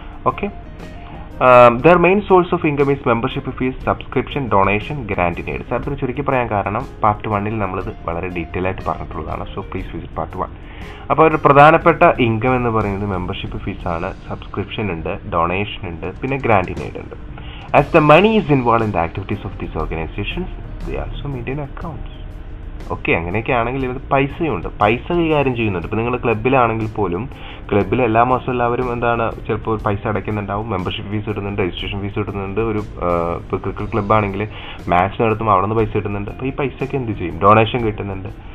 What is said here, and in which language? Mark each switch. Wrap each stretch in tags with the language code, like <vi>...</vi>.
<en>Okay, their main source of income is membership fees, subscription, donation, grant in aid.</en> <ml>സാറിന് ചുരുക്കി പറയാൻ കാരണം, part വണ്ണിൽ നമ്മളിത് വളരെ ഡീറ്റെയിൽ ആയിട്ട് പറഞ്ഞിട്ടുള്ളതാണ്.</ml> <en>So please visit part one.</en> <ml>അപ്പോൾ അവരുടെ പ്രധാനപ്പെട്ട ഇൻകം എന്ന് പറയുന്നത് മെമ്പർഷിപ്പ് ഫീസാണ്, സബ്സ്ക്രിപ്ഷൻ ഉണ്ട്, ഡൊണേഷൻ ഉണ്ട്, പിന്നെ ഗ്രാൻഡ് ഇൻ എയ്ഡ് ഉണ്ട്.</ml> <en>As the money is involved in the activities of these organizations, they also maintain accounts.</en> <ml>Okay, അങ്ങനെയൊക്കെയാണെങ്കിൽ ഇവർ പൈസയുണ്ട്, പൈസ കൈകാര്യം ചെയ്യുന്നുണ്ട്. ഇപ്പോൾ നിങ്ങൾ ക്ലബ്ബിലാണെങ്കിൽ പോലും, ക്ലബ്ബിൽ എല്ലാ മാസവും എല്ലാവരും എന്താണ് ചിലപ്പോൾ പൈസ അടയ്ക്കുന്നുണ്ടാവും. മെമ്പർഷിപ്പ് ഫീസ് കിട്ടുന്നുണ്ട്, രജിസ്ട്രേഷൻ ഫീസ് കിട്ടുന്നുണ്ട്. ഒരു ഇപ്പോൾ ക്രിക്കറ്റ് ക്ലബ്ബാണെങ്കിൽ മാച്ച് നടത്തുമ്പോൾ അവിടെ നിന്ന് പൈസ കിട്ടുന്നുണ്ട്. അപ്പോൾ ഈ പൈസയൊക്കെ എന്ത് ചെയ്യും? ഡൊണേഷൻ കിട്ടുന്നുണ്ട്,</ml>